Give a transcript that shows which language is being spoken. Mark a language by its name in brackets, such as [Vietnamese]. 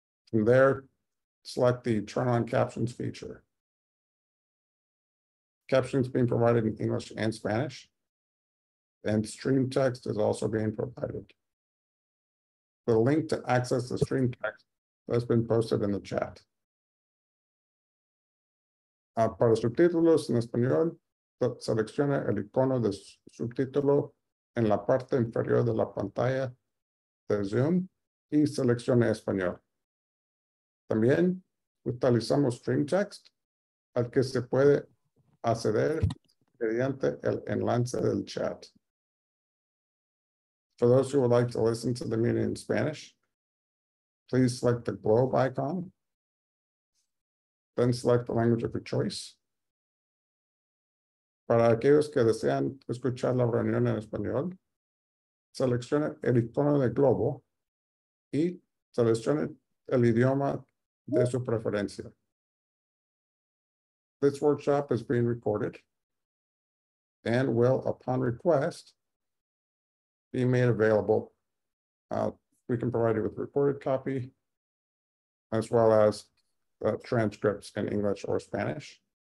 [English] From there, select the turn on captions feature. Captions being provided in English and Spanish, and stream text is also being provided. The link to access the stream text has been posted in the chat. [Spanish] Para subtítulos en español, selecciona el icono de subtítulo en la parte inferior de la pantalla de Zoom y seleccione español. También utilizamos stream text al que se puede acceder mediante el enlace del chat. [English] For those who would like to listen to the meeting in Spanish, please select the globe icon, then select the language of your choice. [Spanish] Para aquellos que desean escuchar la reunión en español, seleccione el icono de globo y seleccione el idioma de su preferencia. [English] This workshop is being recorded and will, upon request, be made available. We can provide you with a recorded copy as well as transcripts in English or Spanish.